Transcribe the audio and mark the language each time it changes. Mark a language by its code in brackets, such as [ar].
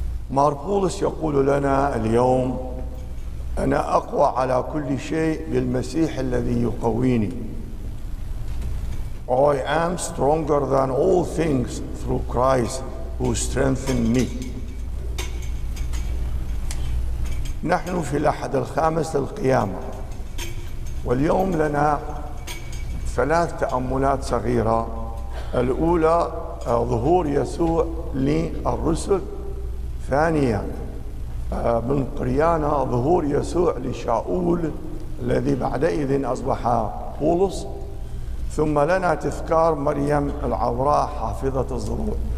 [ar] مار بولس يقول لنا اليوم انا اقوى على كل شيء بالمسيح الذي يقويني. [en] I am stronger than all things through Christ who strengthened me. [ar] نحن في الاحد الخامس للقيامة واليوم لنا ثلاث تأملات صغيرة. الأولى ظهور يسوع للرسل، ثانيا من قريانة ظهور يسوع لشاؤول الذي بعدئذ أصبح بولس، ثم لنا تذكار مريم العذراء حافظة الزروع.